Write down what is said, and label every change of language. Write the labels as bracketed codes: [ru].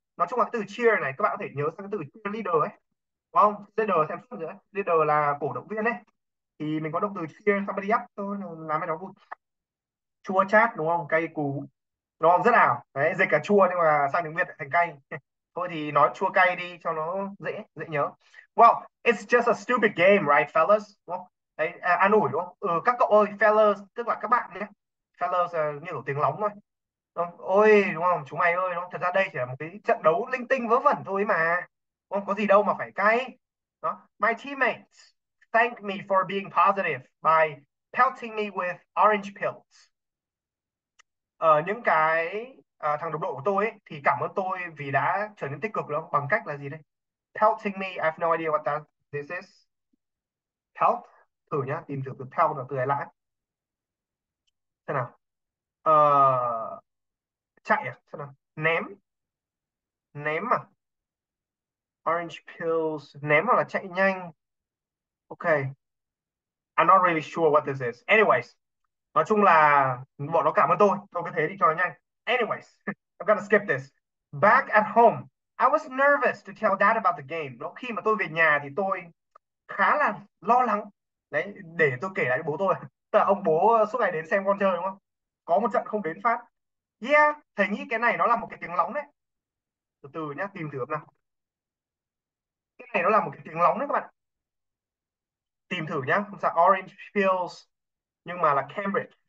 [vi] Nói chung là từ cheer này các bạn có thể nhớ sang cái từ cheerleader ấy, đúng không? Leader xem nữa, leader là cổ động viên ấy, thì mình có động từ cheer somebody up, tôi làm cái đó vui chua chát đúng không, cay cú đúng không, rất ảo đấy, dịch cả chua nhưng mà sang tiếng Việt lại thành cay. Thôi thì nói chua cay đi cho nó dễ dễ nhớ. [en] Well, it's just a stupid game, right, fellas? [vi] Đúng không? Đấy, an ủi đúng không? Ừ, các cậu ơi, fellas, tức là các bạn nhé. Fellas như kiểu tiếng lóng thôi. Đúng không? Ôi, đúng không? Chúng mày ơi, đúng không? Thật ra đây chỉ là một cái trận đấu linh tinh vớ vẩn thôi mà. Đúng không? Có gì đâu mà phải cay. Đó. [en] My teammates thank me for being positive by pelting me with orange pills. [vi] Những cái thằng đồng đội của tôi ấy, thì cảm ơn tôi vì đã trở nên tích cực đúng không? Bằng cách là gì đây? [en] Pelting me, I have no idea what that this is. [vi] Pelt, thử nhá, tìm từ từ pelt là từ ấy lại. Thế nào? Chạy à? Thế nào? Ném. Ném à? Orange pills, ném hoặc là chạy nhanh. Ok. [en] I'm not really sure what this is. [vi] Anyways, nói chung là bọn nó cảm ơn tôi cứ thế đi cho nó nhanh. [en] Anyways, I'm gonna skip this. Back at home, I was nervous to tell dad about the game. [vi] Khi mà tôi về nhà thì tôi khá là lo lắng. Đấy, để tôi kể lại bố tôi. Tức là ông bố suốt ngày đến xem con chơi đúng không? Có một trận không đến phát. Yeah, thầy nghĩ cái này nó là một cái tiếng lóng đấy. Từ từ nhá, tìm thử nào. Cái này nó là một cái tiếng lóng đấy các bạn. Tìm thử nhá, không sao, Orange Fields. Nhưng mà là Cambridge.